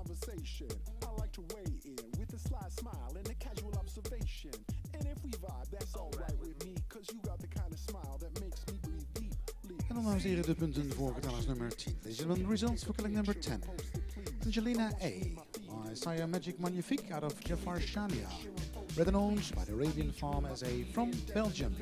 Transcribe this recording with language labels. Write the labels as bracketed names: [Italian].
[English] I like to weigh in with a sly smile and a casual observation. And if we vibe, that's all right with me. Cause you got the kind of smile that makes me breathe deep. [Dutch] En dan dames en heren, de punten voor kadavers nummer 10. Dit is dan de results voor kadavers nummer 10. [English] Angelina A. By Saya Magic Magnifique out of Jafar Shania. Red and Orange by the Arabian Farm SA from Belgium.